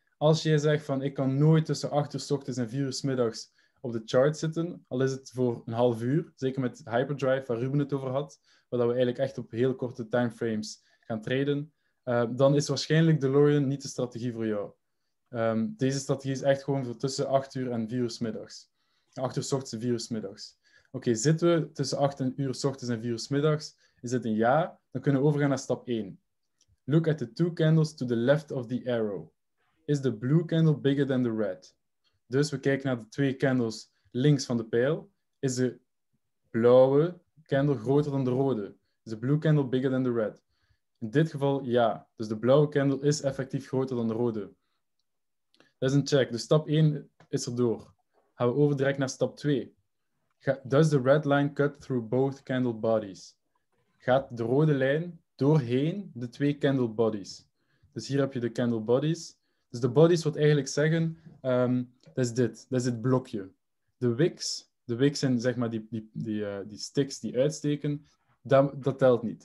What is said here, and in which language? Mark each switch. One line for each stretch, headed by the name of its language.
Dutch: Als jij zegt van, ik kan nooit tussen 8 uur 's ochtends en 4 uur 's middags op de chart zitten, al is het voor een half uur, zeker met Hyperdrive, waar Ruben het over had, waar we eigenlijk echt op heel korte timeframes gaan traden, dan is waarschijnlijk DeLorean niet de strategie voor jou. Deze strategie is echt gewoon voor tussen 8 uur en 4 uur 's middags. 8 uur 's ochtends en 4 uur 's middags. Oké, zitten we tussen 8 uur 's ochtends en 4 uur 's middags, is het een ja, dan kunnen we overgaan naar stap 1.
English: Look at the two candles to the left of the arrow. Is the blue candle bigger than the red?
Dutch: Dus we kijken naar de twee candles links van de pijl. Is de blauwe candle groter dan de rode?
English: Is de blue candle bigger than the red?
Dutch: In dit geval ja. Dus de blauwe candle is effectief groter dan de rode. Dat is een check. Dus stap 1 is erdoor. Gaan we over direct naar stap 2.
English: Does the red line cut through both candle bodies?
Dutch: Gaat de rode lijn doorheen de twee candle bodies? Dus hier heb je de candle bodies. Dus de bodies wat eigenlijk zeggen, dat is dit. Dat is dit blokje. De wicks zijn zeg maar die sticks die uitsteken, dat telt niet.